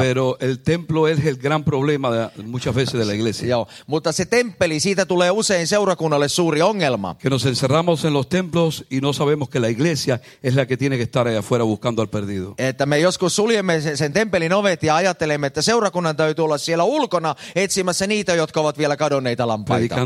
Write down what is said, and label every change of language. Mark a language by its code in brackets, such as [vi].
[es] Pero el templo es el gran problema muchas veces de la iglesia. [fi] Joo, mutta se temppeli, siitä tulee usein seurakunnalle suuri ongelma. [es] Que nos encerramos en los templos y no sabemos que la iglesia es la que tiene que estar allá afuera buscando al perdido. [fi] Että me joskus suljemme sen temppelin ovet ja ajattelemme, että seurakunnan täytyy olla siellä ulkona etsimässä niitä, jotka ovat vielä kadonneita lampaita.